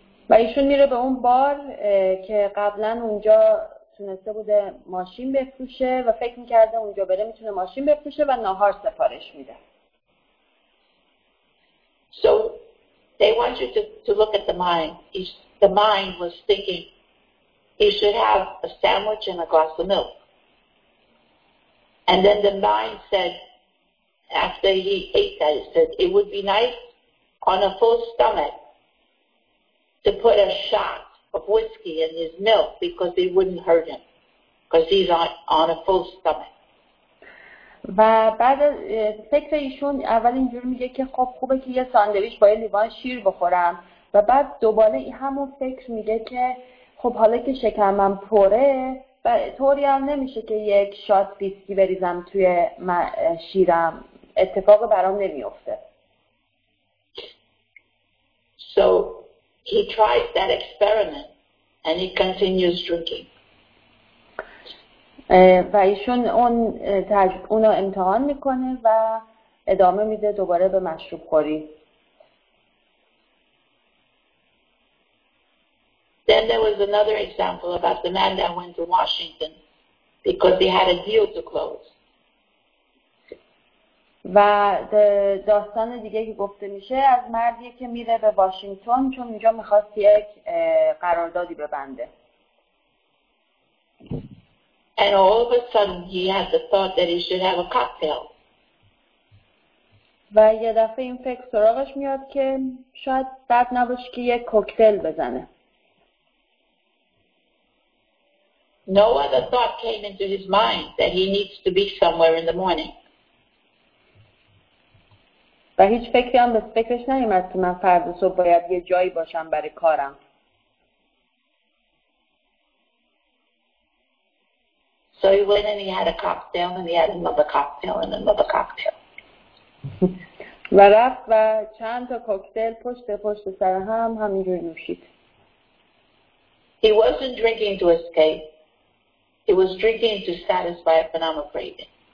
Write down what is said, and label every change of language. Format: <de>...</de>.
<fa>و ایشون میره به اون بار که قبلا اونجا تونسته بوده ماشین بفروشه و فکر میکرده اونجا بره میتونه ماشین بفروشه و ناهار سفارش میده.</fa> <en>So they want you to look at the mind. The mind was thinking he should have a sandwich and a glass of milk. And then the mind said after he ate that, it said it would be nice on a full stomach to put a shot of whiskey in his milk because it wouldn't hurt him. because he's on a full stomach.</en> <fa>و بعد فکر ایشون اول اینجور میگه که خب خوبه که یه ساندویچ با یه لیوان شیر بخورم و بعد دوباره این همون فکر میگه که خب حالا که شکمم پره و طوری هم نمیشه که یک شات بیسکی بریزم توی شیرم، اتفاق برام نمیفته.</fa> <en>So he tried that experiment and he continues drinking.</en> <fa>و ایشون اون اونو امتحان میکنه و ادامه میده دوباره به مشروب خوری.</fa> <en>Then there was another example about the man that went to Washington because he had a deal to close.</en> <fa>و داستان دیگه که گفته میشه از مردی که میره به واشنگتن چون اونجا میخواست یک قراردادی ببنده.</fa> <en>And all of a sudden he had the thought that he should have a cocktail.</en> <fa>و یه دفعه این فکر سراغش میاد که شاید بد نباشه که یک کوکتل بزنه.</fa> <en>No other thought came into his mind that he needs to be somewhere in the morning.</en> <fa>و هیچ فکری هم به فکرش نیومد که من فردا صبح باید یه جایی باشم برای کارم.</fa> <en>So he went and he had a cocktail and he had another cocktail and another cocktail.</en> <fa>و رفت و چند تا کوکتل پشت سر هم همینجور نوشید.</fa> <en>He wasn't drinking to escape. He was drinking to satisfy a phenomenal craving.</en>